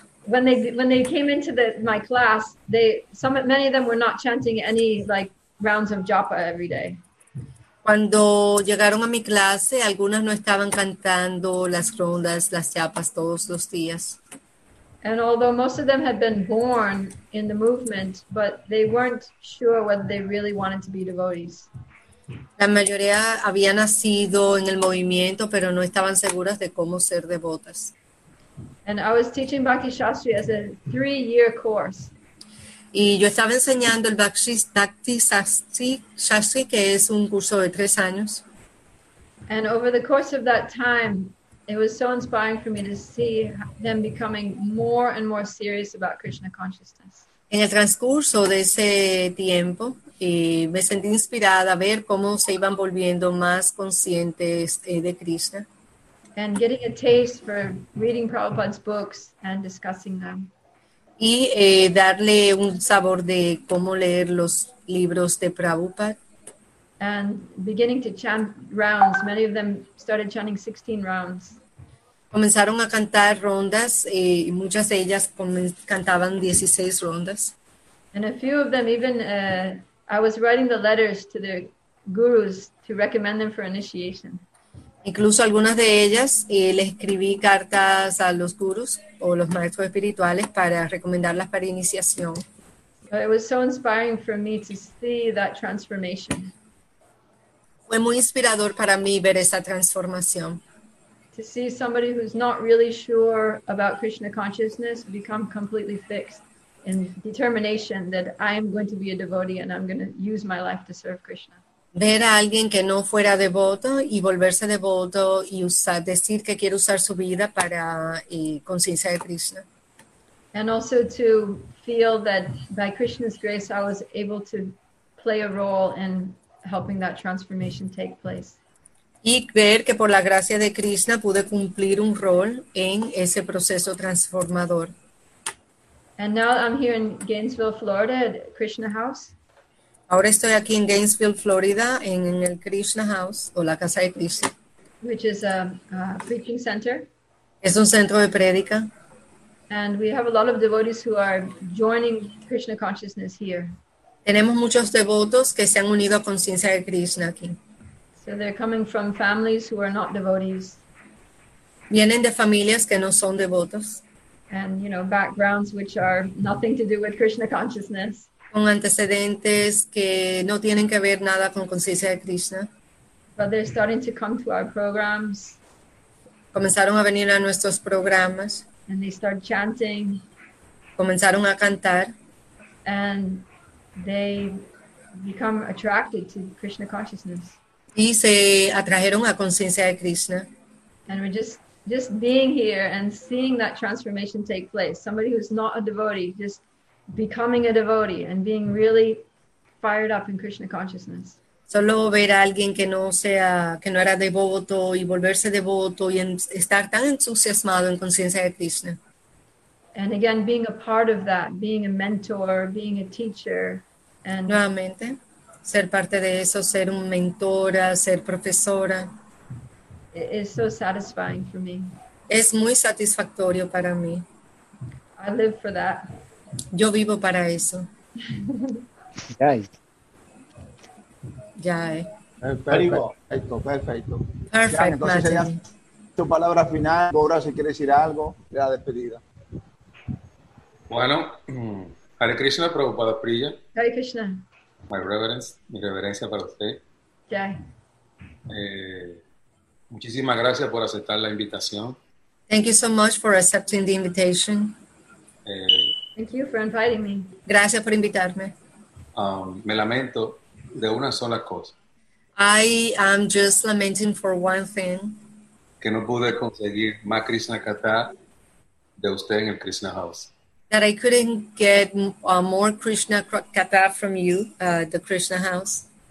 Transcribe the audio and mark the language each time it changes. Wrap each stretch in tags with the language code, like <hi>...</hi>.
<en>When they came into my class, many of them were not chanting any like rounds of japa every day.</en> <es>Cuando llegaron a mi clase, algunas no estaban cantando las rondas, las chapas todos los días.</es> <en>And although most of them had been born in the movement, but they weren't sure whether they really wanted to be devotees.</en> <es>La mayoría había nacido en el movimiento, pero no estaban seguras de cómo ser devotas.</es> <en>And I was teaching Bhakti Shastri as a 3-year course.</en> <es>Y yo estaba enseñando el Bhakti Shastri, que es un curso de 3 años.</es> <en>And over the course of that time, it was so inspiring for me to see them becoming more and more serious about Krishna consciousness.</en> <es>En el transcurso de ese tiempo, me sentí inspirada a ver cómo se iban volviendo más conscientes de Krishna.</es> <en>And getting a taste for reading Prabhupada's books and discussing them.</en> <es>Y darle un sabor de cómo leer los libros de Prabhupada.</es> <en>And beginning to chant rounds. Many of them started chanting 16 rounds.</en> <es>Comenzaron a cantar rondas y muchas de ellas cantaban 16 rondas.</es> <en>And a few of them even, I was writing the letters to their gurus to recommend them for initiation.</en> <es>Incluso algunas de ellas les escribí cartas a los gurús o los maestros espirituales para recomendarlas para iniciación.</es> <en>It was so inspiring for me to see that transformation.</en> <es>Fue muy inspirador para mí ver esa transformación.</es> <en>To see somebody who's not really sure about Krishna consciousness become completely fixed. and determination that I am going to be a devotee and I'm going to use my life to serve Krishna.</en> <es>Ver a alguien que no fuera devoto y volverse devoto y usar, decir que quiere usar su vida para conciencia de Krishna.</es> <en>And also to feel that by Krishna's grace I was able to play a role in helping that transformation take place.</en> <es>Y ver que por la gracia de Krishna pude cumplir un rol en ese proceso transformador.</es> <en>And now I'm here in Gainesville, Florida at Krishna House.</en> <es>Ahora estoy aquí en Gainesville, Florida, en el Krishna House, o la Casa de Krishna.</es> <en>Which is a preaching center.</en> <es>Es un centro de prédica.</es> <en>And we have a lot of devotees who are joining Krishna consciousness here.</en> <es>Tenemos muchos devotos que se han unido a conciencia de Krishna aquí.</es> <en>So they're coming from families who are not devotees.</en> <es>Vienen de familias que no son devotos.</es> <en>And, you know, backgrounds which are nothing to do with Krishna consciousness.</en> <es>Con antecedentes que no tienen que ver nada con conciencia de Krishna.</es> <en>But they're starting to come to our programs.</en> <es>Comenzaron a venir a nuestros programas.</es> <en>And they start chanting.</en> <es>Comenzaron a cantar.</es> <en>And they become attracted to Krishna consciousness.</en> <es>Y se atrajeron a conciencia de Krishna.</es> <en>And we're just being here and seeing that transformation take place. Somebody who's not a devotee, just becoming a devotee and being really fired up in Krishna consciousness.</en> <es>Solo ver a alguien que no sea, que no era devoto y volverse devoto y estar tan entusiasmado en conciencia de Krishna.</es> <en>And again, being a part of that, being a mentor, being a teacher. And</en> <es>nuevamente, ser parte de eso, ser un mentora, ser profesora.</es> <en>It is so satisfying for me.</en> <es>Es muy satisfactorio para mí.</es> <en>I live for that.</en> <es>Yo vivo para eso. Ya es. Ya es. Perfecto, perfecto. Perfecto. Entonces, tu palabra final, ahora si quieres decir algo, la despedida. Bueno, Hare Krishna, Prabhupada Priya. Hare Krishna.</es> <en>My reverence,</en> <es>mi reverencia para usted. Jai. Muchísimas gracias por aceptar la invitación.</es> <en>Thank you so much for accepting the invitation. Thank you for inviting me.</en> <es>Gracias por invitarme. Me lamento de una sola cosa.</es> <en>I am just lamenting for one thing.</en> <es>Que no pude conseguir más Krishna Katha de usted en el Krishna House.</es> <en>That I couldn't get more Krishna Katha from you, the Krishna House.</en>